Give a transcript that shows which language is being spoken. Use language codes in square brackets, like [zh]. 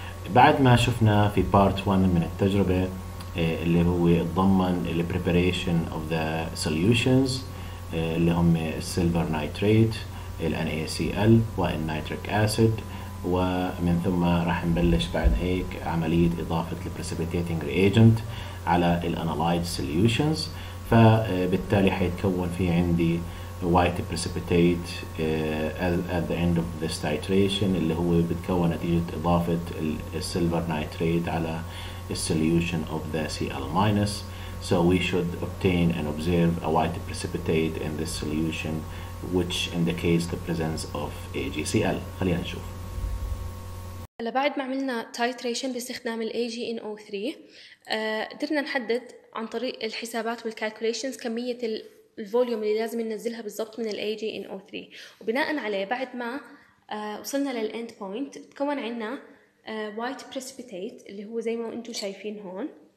[ar] بعد ما شفنا في بارت 1 من التجربة اللي هو تضمن الـ [en] preparation of the solutions [ar] اللي هم السيلفر نايتريت، الـ NaCl والـ nitric acid، ومن ثم راح نبلش بعد هيك عملية إضافة الـ [en] precipitating reagent [ar] على الـ [en] analyzed solutions. [ar] فبالتالي حيتكون في عندي [en] white precipitate at the end of this titration [ar] اللي هو بتكون نتيجة إضافة السيلفر نايتريت على [en] a solution of the Cl minus. So we should obtain and observe a white precipitate in this solution, which indicates the presence of AgCl. [ar] خلينا نشوف. هلا بعد ما عملنا titration باستخدام ال AgNO3، قدرنا نحدد عن طريق الحسابات والcalculations كمية الفوليوم اللي لازم ننزلها بالضبط من ال AgNO3. وبناء عليه بعد ما وصلنا لل [en] end point [ar] تكون عنا [en] white precipitate [ar] اللي هو زي ما انتم شايفين هون.